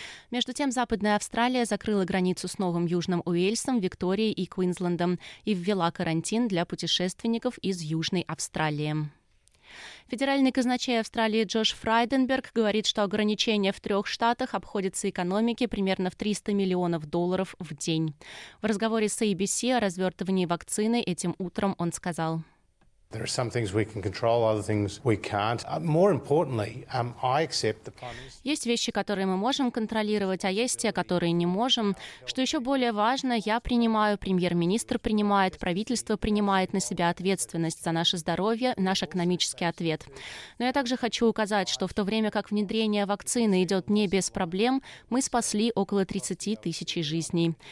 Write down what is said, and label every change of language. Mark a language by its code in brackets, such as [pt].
[ru] Между тем, Западная Австралия закрыла границу с Новым Южным Уэльсом, Викторией и Квинслендом и ввела карантин для путешественников из Южной Австралии. Федеральный казначей Австралии Джош Фрайденберг говорит, что ограничения в трех штатах обходятся экономике примерно в 300 миллионов долларов в день. В разговоре с ABC о развертывании вакцины этим утром он сказал: [en] There are some things we can control, other things we can't. More importantly, I accept the premise. [ru] Есть вещи, которые мы можем контролировать, а есть те, которые не можем. Что еще более важно, я принимаю, премьер-министр принимает, правительство принимает на себя ответственность за наше здоровье, наш экономический ответ. Но я также хочу указать, что в то время как внедрение вакцины идет не без проблем, мы спасли около 30 тысяч жизней.